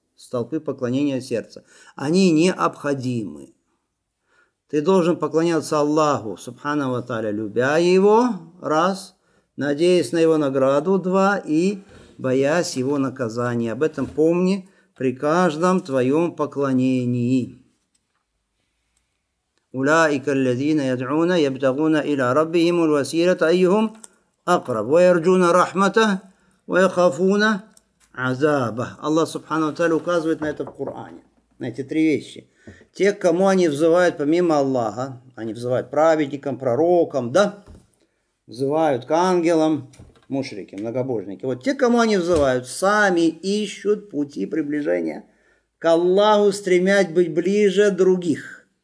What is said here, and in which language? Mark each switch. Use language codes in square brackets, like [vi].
[ru] Столпы поклонения сердца. Они необходимы. Ты должен поклоняться Аллаху, субхана ва тааля, любя Его, раз, надеясь на Его награду, два, и боясь Его наказания. Об этом помни при каждом твоем поклонении. [ar] أولئك الذين يدعون يبتغون إلى ربهم الوسيلة أيهم أقرب ويرجون رحمته ويخافون عذابه. الله سبحانه وتعالى [ru] указывает на это в Коране, на эти три вещи. Те, к кому они взывают помимо Аллаха, они взывают праведникам, пророкам, да, взывают к ангелам, мушрики, многобожники. Вот те, к кому они взывают, сами ищут пути приближения к Аллаху, стремясь быть ближе других.